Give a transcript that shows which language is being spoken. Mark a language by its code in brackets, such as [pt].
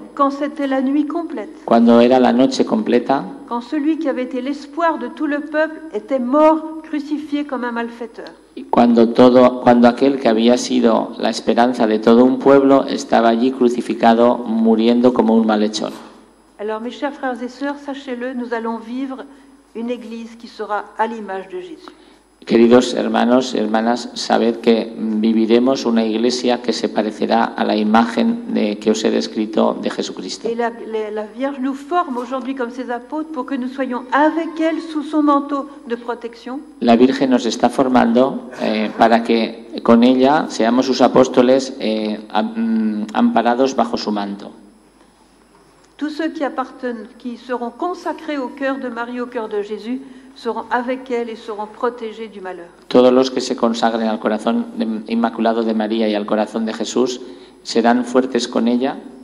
[fr] Quand c'était la nuit complète. [es] Cuando era la noche completa. [fr] Quand celui qui avait été l'espoir de tout le peuple était mort, crucifié comme un malfaiteur. [es] Cuando aquel que había sido la esperanza de todo un pueblo estaba allí crucificado, muriendo como un malhechor. [fr] Alors mes chers frères et sœurs, sachez-le, nous allons vivre une église qui sera à l'image de Jésus. [es] Queridos hermanos, hermanas, sabed que viviremos una iglesia que se parecerá a la imagen de que os he descrito de Jesucristo. [fr] La Vierge nous forme aujourd'hui comme ses apôtres pour que nous soyons avec elle sous son manteau de protection. [es] La Virgen nos está formando para que con ella seamos sus apóstoles amparados bajo su manto. [fr] Tous ceux qui seront consacrés au cœur de Marie, au cœur de Jésus, seront avec elle et seront protégés du malheur. [es] Todos los que se consagren al corazón inmaculado de María y al corazón de Jesús serán fuertes con ella.